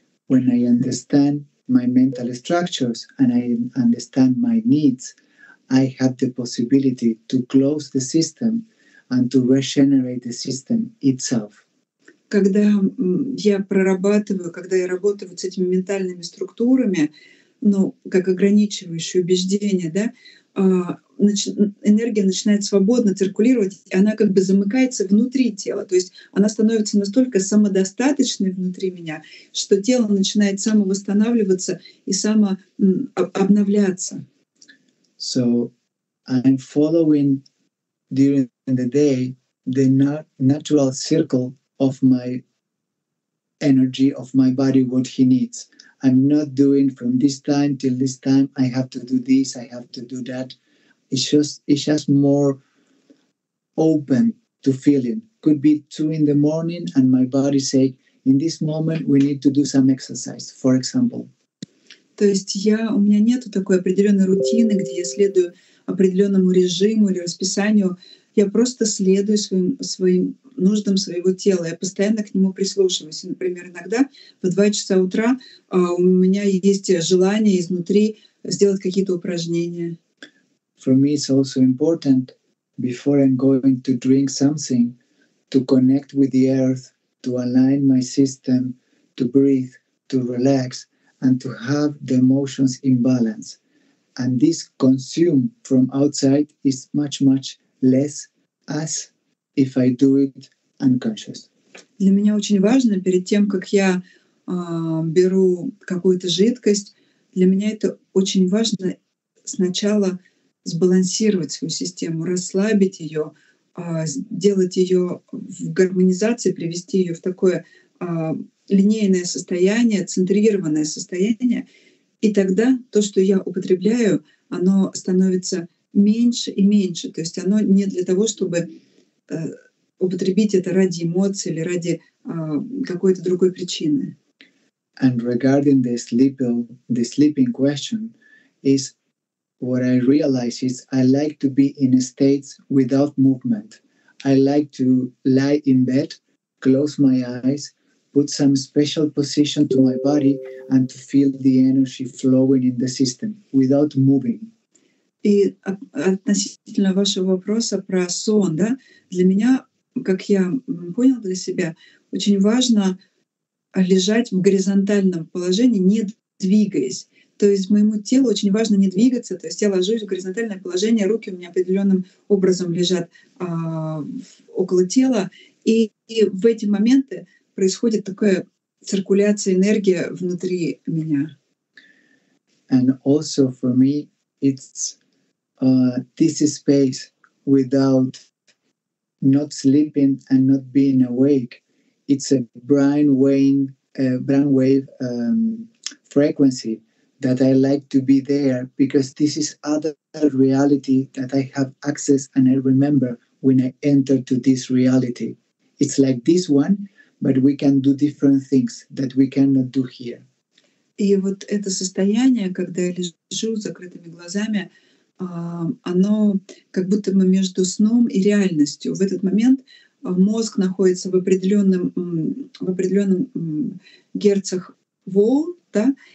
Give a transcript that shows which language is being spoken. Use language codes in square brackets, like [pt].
[en] When I understand my mental structures and I understand my needs, I had the possibility to close the system and to regenerate the system itself. [ru] Когда я прорабатываю, когда я работаю вот с этими ментальными структурами, ну, как ограничивающие убеждения, да, энергия начинает свободно циркулировать, и она как бы замыкается внутри тела. То есть она становится настолько самодостаточной внутри меня, что тело начинает самовосстанавливаться и самообновляться. [en] So I'm following during the day the natural circle of my energy, of my body, what he needs. I'm not doing from this time till this time, I have to do this, I have to do that. It's just more open to feeling. Could be 2 a.m, and my body say, in this moment we need to do some exercise, for example. [ru] То есть у меня нету такой определенной рутины, где я следую определенному режиму или расписанию. Я просто следую своим нуждам своего тела. Я постоянно к нему прислушиваюсь. Например, иногда в 2 часа утра у меня есть желание изнутри сделать какие-то упражнения. [en] For me, it's also important before I'm going to drink something to connect with the earth, to align my system, to breathe, to relax, and to have the emotions in balance. And this consume from outside is much, much less as if I do it unconscious. [ru] Для меня очень важно перед тем, как я беру какую-то жидкость, для меня это очень важно сначала сбалансировать свою систему, расслабить ее, сделать ее в гармонизации, привести ее в такое линейное состояние, центрированное состояние, и тогда то, что я употребляю, оно становится меньше и меньше. То есть оно не для того, чтобы употребить это ради эмоций или ради какой-то другой причины. [en] And regarding the sleeping question is what I realize is I like to be in states without movement. I like to lie in bed, close my eyes, put some special position to my body and to feel the energy flowing in the system without moving. [ru] И относительно вашего вопроса про сон, да, для меня, как я понял для себя, очень важно лежать в горизонтальном положении, не двигаясь. То есть моему телу очень важно не двигаться, то есть я ложусь в горизонтальное положение, руки у меня определенным образом лежат около тела, и в эти моменты происходит такая циркуляция энергии внутри меня. [en] And also for me, it's this is space without not sleeping and not being awake. It's a brainwave frequency that I like to be there because this is other reality that I have access and I remember when I enter to this reality. It's like this one, but we can do different things that we cannot do here. [ru] И вот это состояние, когда я лежу с закрытыми глазами, оно как будто бы между сном и реальностью. В этот момент мозг находится в определенном герцах волн, да?